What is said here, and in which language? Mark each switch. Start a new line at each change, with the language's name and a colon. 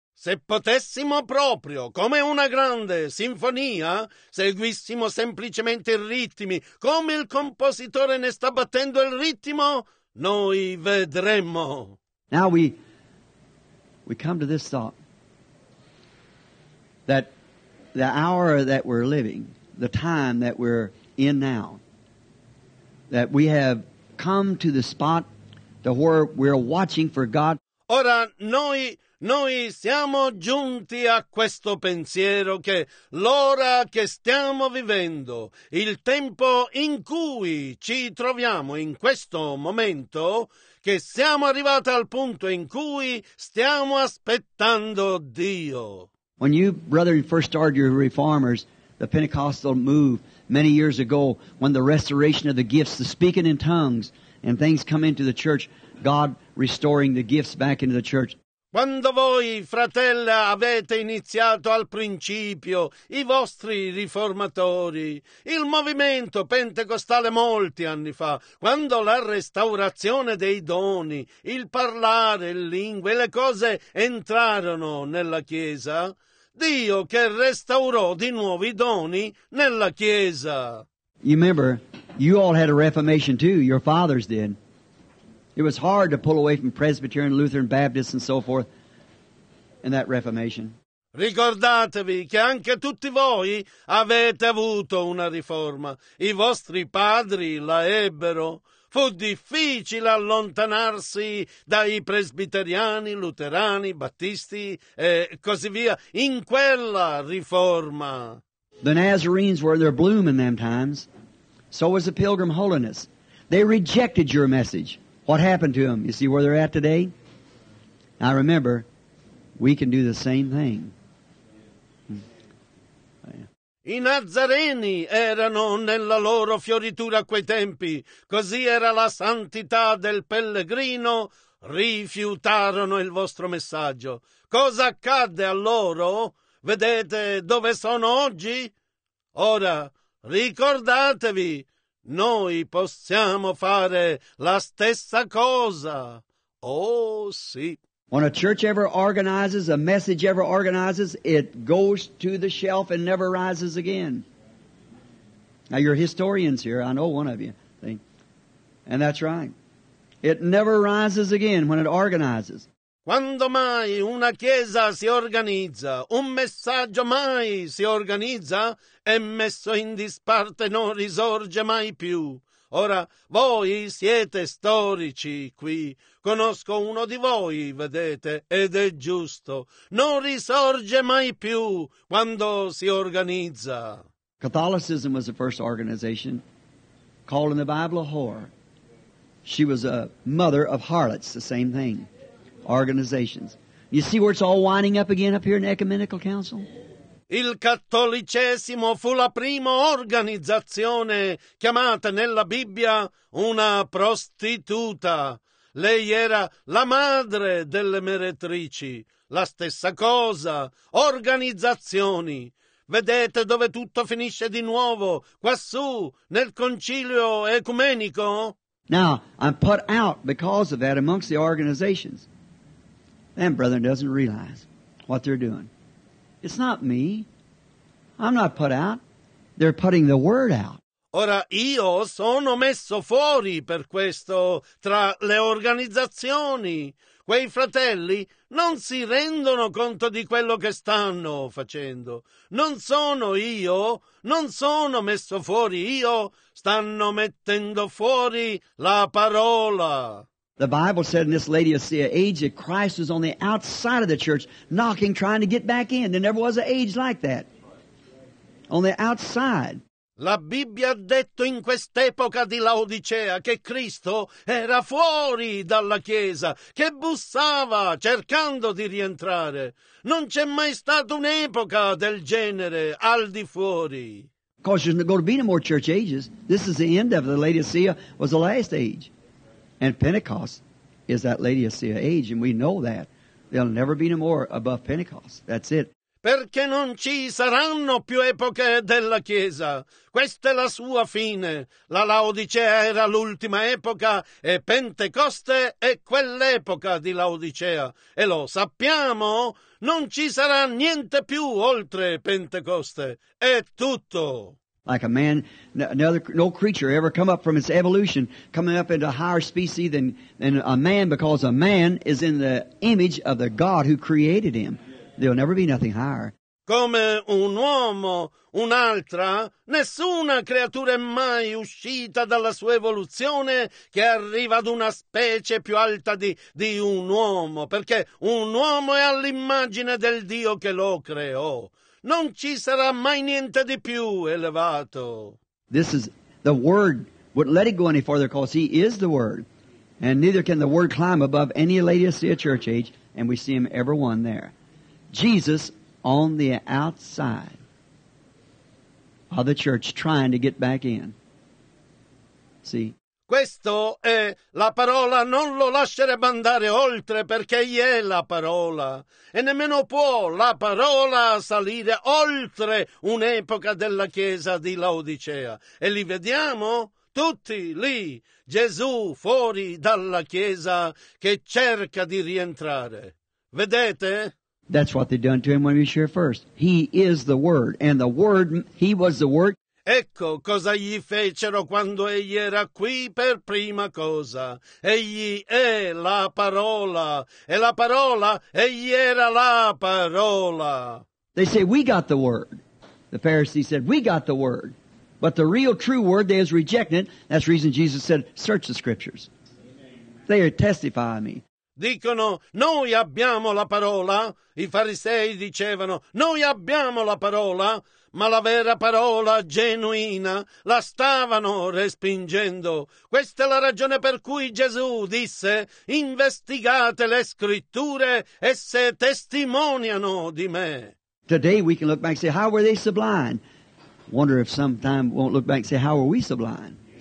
Italian: Se potessimo proprio, come una grande sinfonia, seguissimo semplicemente i ritmi, come il compositore ne sta battendo il ritmo, noi vedremmo.
English: Now we come to this thought, that the hour that we're living, the time that we're in now, that we have come to the spot to where we're watching for God.
Italian: Ora noi siamo giunti a questo pensiero che l'ora che stiamo vivendo, il tempo in cui ci troviamo in questo momento, che siamo arrivati al punto in cui stiamo aspettando Dio.
English: When you, brother, first started your reformers, the Pentecostal move many years ago, when the restoration of the gifts, the speaking in tongues, and things come into the church, God restoring the gifts back into the church.
Italian: Quando voi, fratella, avete iniziato al principio, i vostri riformatori, il movimento pentecostale molti anni fa, quando la restaurazione dei doni, il parlare in lingue, le cose entrarono nella Chiesa, Dio che restaurò di nuovo i doni nella Chiesa.
English: You remember, you all had a reformation too, your fathers did. It was hard to pull away from Presbyterian, Lutheran, Baptist and so forth in that Reformation.
Italian: Ricordatevi che anche tutti voi avete avuto una riforma. I vostri padri la ebbero. Fu difficile allontanarsi dai presbiteriani, luterani, battisti e così via in quella riforma.
English: The Nazarenes were their bloom in them times. So was the Pilgrim Holiness. They rejected your message. What happened to them? You see where they're at today? Now remember, we can do the same thing.
Italian: I Nazareni erano nella loro fioritura a quei tempi. Così era la santità del pellegrino. Rifiutarono il vostro messaggio. Cosa accadde a loro? Vedete dove sono oggi? Ora, ricordatevi. Noi possiamo fare la stessa cosa. Oh, sì.
English: When a church ever organizes, a message ever organizes, it goes to the shelf and never rises again. Now, you're historians here. I know one of you. See? And that's right. It never rises again when it organizes.
Italian: Quando mai una chiesa si organizza, un messaggio mai si organizza, è messo in disparte, non risorge mai più. Ora, voi siete storici qui. Conosco uno di voi, vedete, ed è giusto. Non risorge mai più quando si organizza.
English: Catholicism was the first organization called in the Bible a whore. She was a mother of harlots, the same thing. Organizations. You see where it's all winding up again up here in the Ecumenical Council?
Italian: Il cattolicesimo fu la prima organizzazione chiamata nella Bibbia una prostituta. Lei era la madre delle meretrici. La stessa cosa. Organizzazioni. Vedete dove tutto finisce di nuovo? Quassù, nel Concilio Ecumenico?
English: Now, I'm put out because of that amongst the organizations. And brother doesn't realize what they're doing. It's not me. I'm not put out. They're putting the word out.
Italian: Ora io sono messo fuori per questo tra le organizzazioni. Quei fratelli non si rendono conto di quello che stanno facendo. Non sono io. Non sono messo fuori io. Stanno mettendo fuori la parola.
English: The Bible said in this Laodicea age that Christ was on the outside of the church, knocking, trying to get back in. There never was an age like that. On the outside.
Italian: La Bibbia ha detto in quest'epoca di Laodicea che Cristo era fuori dalla Chiesa, che bussava cercando di rientrare. Non c'è mai stata un'epoca del genere al di fuori.
English: Of course, there's not going to be no more church ages. This is the end of it. The Laodicea was the last age. And Pentecost is that Laodicea age, and we know that. There'll never be no more above Pentecost. That's it.
Italian: Perché non ci saranno più epoche della Chiesa. Questa è la sua fine. La Laodicea era l'ultima epoca, e Pentecoste è quell'epoca di Laodicea. E lo sappiamo, non ci sarà niente più oltre Pentecoste. È tutto.
English: Like a man, no creature ever come up from its evolution, coming up into a higher species than a man, because a man is in the image of the God who created him. There'll never be nothing higher.
Italian: Come un uomo, un'altra, nessuna creatura è mai uscita dalla sua evoluzione che arriva ad una specie più alta di un uomo, perché un uomo è all'immagine del Dio che lo creò. Non ci sarà mai niente di più elevato.
English: This is the Word. Wouldn't let it go any further because He is the Word. And neither can the Word climb above any Laodicea church age. And we see Him, every one there. Jesus on the outside of the church trying to get back in. See?
Italian: Questo è la parola, non lo lascerebbe andare oltre perché egli è la parola. E nemmeno può la parola salire oltre un'epoca della chiesa di Laodicea. E li vediamo tutti lì, Gesù fuori dalla chiesa che cerca di rientrare. Vedete?
English: That's what they've done to him when he was here first. He is the Word, and the Word, he was the Word.
Italian: Ecco cosa gli fecero quando egli era qui per prima cosa. Egli è la parola, e la parola, egli era la parola.
English: They say, we got the Word. The Pharisees said, we got the Word. But the real, true Word, they has rejected. That's the reason Jesus said, search the Scriptures. They are testifying me.
Italian: Dicono, noi abbiamo la parola. I farisei dicevano, noi abbiamo la parola. Ma la vera parola genuina la stavano respingendo. Questa è la ragione per cui Gesù disse, investigate le scritture, esse testimoniano di me.
English: Today we can look back and say, how were they so blind? Wonder if sometime won't look back and say, how were we so blind?